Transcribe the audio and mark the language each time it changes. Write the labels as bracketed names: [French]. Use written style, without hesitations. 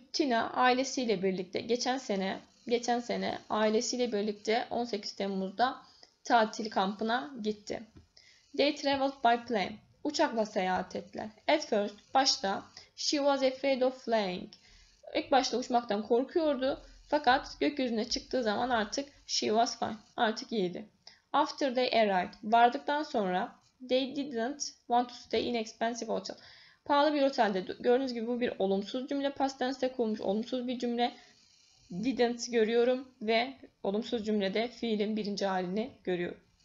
[Turkish] Tina ailesiyle birlikte geçen sene ailesiyle birlikte 18 Temmuz'da tatil kampına gitti. [English] They traveled by plane. [Turkish] Uçakla seyahat ettiler. [English] At first, [Turkish] başta [English] she was afraid of flying. [Turkish] İlk başta uçmaktan korkuyordu. Fakat gökyüzüne çıktığı zaman artık [English] she was fine. [Turkish] Artık iyiydi. [English] After they arrived. [Turkish] Vardıktan sonra [English] they didn't want to stay in expensive hotel. [Turkish] Pahalı bir otelde. Gördüğünüz gibi bu bir olumsuz cümle. Past tense'de kurulmuş olumsuz bir cümle. Didn't görüyorum ve olumsuz cümlede fiilin birinci halini görüyorum.